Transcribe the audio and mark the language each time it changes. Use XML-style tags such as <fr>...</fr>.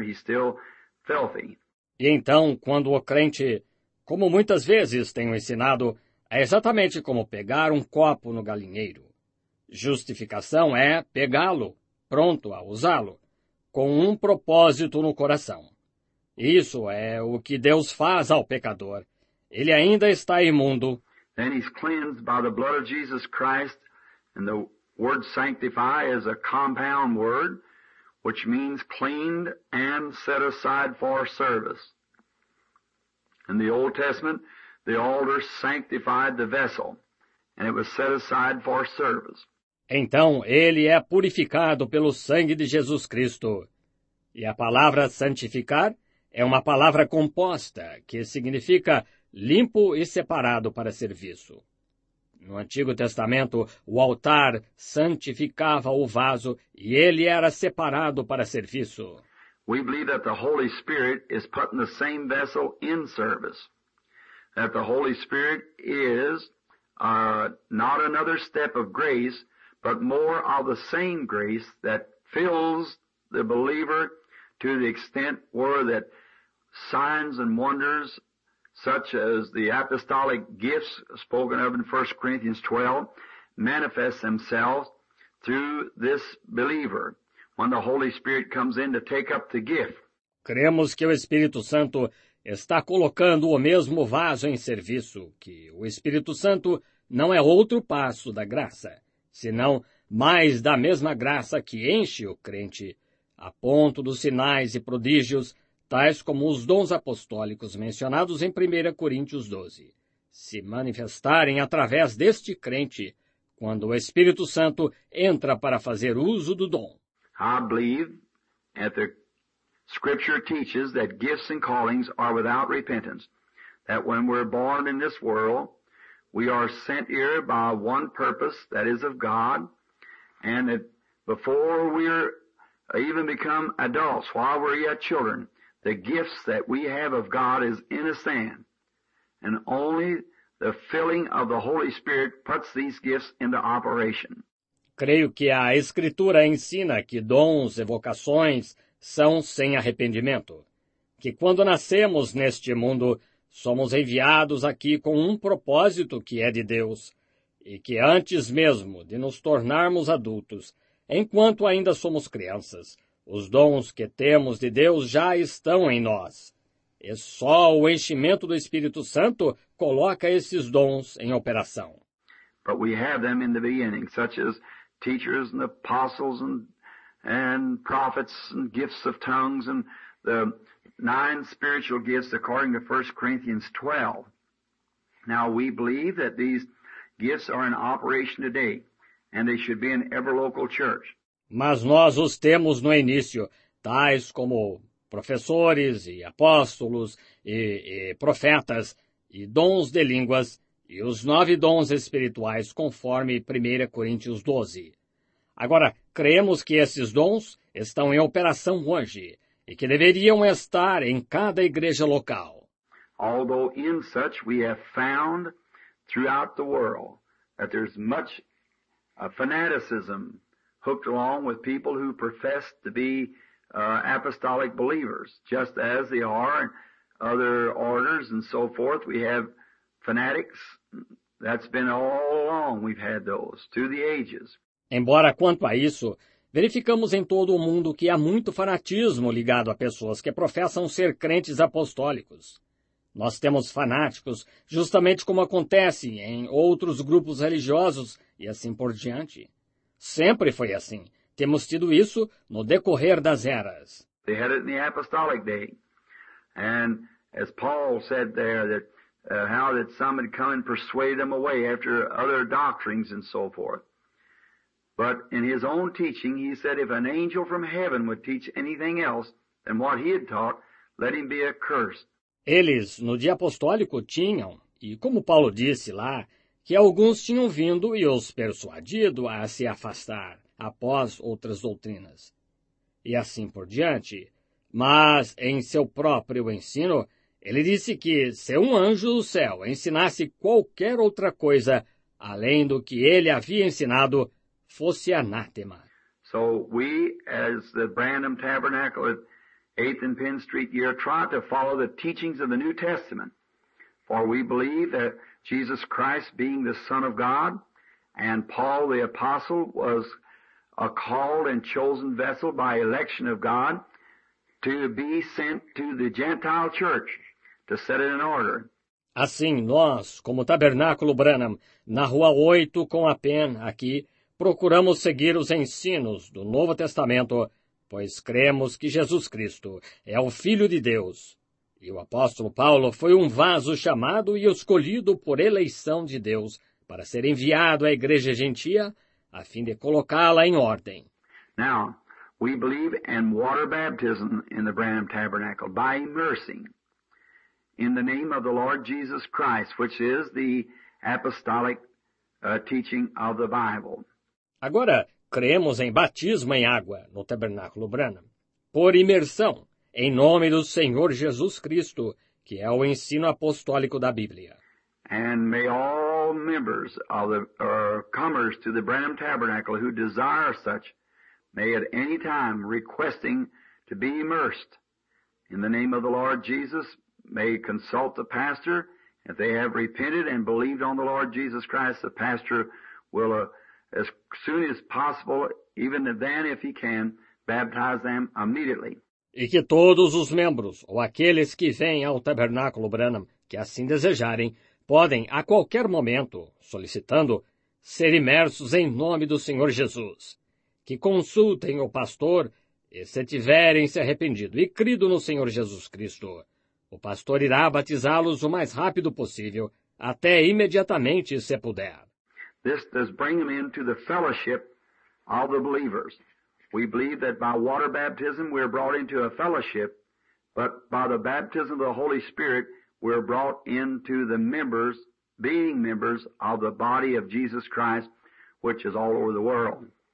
<en>He's still filthy.</en> <pt>E então, quando o crente, como muitas vezes tenho ensinado, é exatamente como pegar um copo no galinheiro. Justificação é pegá-lo, pronto a usá-lo, com um propósito no coração. Isso é o que Deus faz ao pecador. Ele ainda está imundo.</pt> <en>Then he's cleansed by the blood of Jesus Christ, and the word sanctify is a compound word, which means cleaned and set aside for service. In the Old Testament, the altar sanctified the vessel, and it was set aside for service.</en> <pt>Então, ele é purificado pelo sangue de Jesus Cristo. E a palavra santificar é uma palavra composta, que significa limpo e separado para serviço. No Antigo Testamento, o altar santificava o vaso e ele era separado para serviço.</pt> <en>We believe that the Holy Spirit is putting the same vessel in service. That the Holy Spirit is not another step of grace, but more of the same grace that fills the believer to the extent where that signs and wonders, such as the apostolic gifts spoken of in 1 Corinthians 12, manifest themselves through this believer when the Holy Spirit comes in to take up the gift.</en> <pt>Cremos que o Espírito Santo está colocando o mesmo vaso em serviço, que o Espírito Santo não é outro passo da graça, senão mais da mesma graça que enche o crente, a ponto dos sinais e prodígios, tais como os dons apostólicos mencionados em 1 Coríntios 12, se manifestarem através deste crente, quando o Espírito Santo entra para fazer uso do dom.</pt> <en>I believe that the Scripture teaches that gifts and callings are without repentance, that when we're born in this world, we are sent here by one purpose, that is of God, and that before we even become adults, while we're yet children, the gifts that we have of God is in a stand, and only the filling of the Holy Spirit puts these gifts into operation.</en> <pt>Creio que a Escritura ensina que dons e vocações são sem arrependimento, que quando nascemos neste mundo, somos enviados aqui com um propósito que é de Deus, e que antes mesmo de nos tornarmos adultos, enquanto ainda somos crianças, os dons que temos de Deus já estão em nós. E só o enchimento do Espírito Santo coloca esses dons em operação.</pt> <en>But we have them in the beginning, such as teachers and apostles and prophets and gifts of tongues and the nine spiritual gifts according to 1 Corinthians 12. Now we believe that these gifts are in operation today and they should be in every local church.</en> <pt>Mas nós os temos no início, tais como professores e apóstolos e profetas e dons de línguas e os nove dons espirituais conforme 1 Coríntios 12. Agora, cremos que esses dons estão em operação hoje e que deveriam estar em cada igreja local.</pt> <en>Although in such we have found throughout the world that there's much fanaticism hooked along with people who profess to be apostolic believers, just as they are in other orders and so forth. We have fanatics. That's been all along. We've had those through the ages.</en> <pt>Embora quanto a isso, verificamos em todo o mundo que há muito fanatismo ligado a pessoas que professam ser crentes apostólicos. Nós temos fanáticos, justamente como acontece em outros grupos religiosos e assim por diante. Sempre foi assim. Temos tido isso no decorrer das eras.</pt> <en>They had it in the apostolic day. And as Paul said there, that how that some had come and persuade them away after other doctrines and so forth. But in his own teaching, he said if an angel from heaven would teach anything else than what he had taught, let him be accursed.</en> <pt>Eles, no dia apostólico, tinham, e como Paulo disse lá, que alguns tinham vindo e os persuadido a se afastar após outras doutrinas, e assim por diante. Mas, em seu próprio ensino, ele disse que se um anjo do céu ensinasse qualquer outra coisa além do que ele havia ensinado, fosse anátema.</pt> <en>So we, as the Branham Tabernacle at 8th and Penn Street, here try to follow the teachings of the New Testament, for we believe that Jesus Christ being the Son of God and Paul the Apostle was a called and chosen vessel by election of God to be sent to the Gentile church to set it in order.</en> <pt>Assim, nós, como Tabernáculo Branham, na Rua 8 com a Penn aqui, procuramos seguir os ensinos do Novo Testamento, pois cremos que Jesus Cristo é o Filho de Deus. E o apóstolo Paulo foi um vaso chamado e escolhido por eleição de Deus para ser enviado à igreja gentia, a fim de colocá-la em ordem.</pt> <en>Now, we believe in water baptism in the Branham Tabernacle by immersing in the name of the Lord Jesus Christ, which is the apostolic teaching of the Bible.</en> <pt>Agora, cremos em batismo em água no Tabernáculo Branham, por imersão, em nome do Senhor Jesus Cristo, que é o ensino apostólico da Bíblia.</pt> <en>And may all members of the comers to the Branham Tabernacle who desire such, may at any time requesting to be immersed in the name of the Lord Jesus, may consult the pastor. If they have repented and believed on the Lord Jesus Christ, the pastor will as soon as possible, even then if he can, baptize them immediately.</en> <pt>E que todos os membros, ou aqueles que vêm ao Tabernáculo Branham, que assim desejarem, podem, a qualquer momento, solicitando, ser imersos em nome do Senhor Jesus. Que consultem o pastor, e se tiverem se arrependido e crido no Senhor Jesus Cristo, o pastor irá batizá-los o mais rápido possível, até imediatamente, se puder.</pt> <en>This does bring them into the fellowship of the believers. We believe that by water baptism we are brought into a fellowship, but by the baptism of the Holy Spirit we are brought into the members, being members of the body of Jesus Christ, which is all over the world.</en>